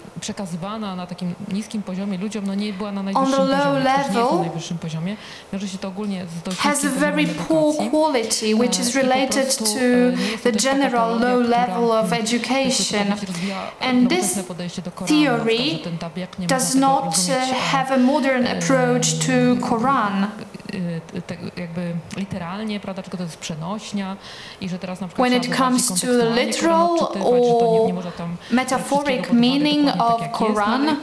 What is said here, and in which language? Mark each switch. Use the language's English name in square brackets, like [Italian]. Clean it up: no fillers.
[Polish] przekazywana na takim niskim poziomie ludziom, no nie była na najwyższym poziomie, wiąże się to ogólnie z dość [English] has a very poor quality, which is related to the general low level of education. And this theory does not have a modern approach to Quran. [Polish] jakby literalnie, prawda, tylko to jest przenośnia i że teraz na przykład [English] when it comes to the literal or metaphoric meaning of Quran,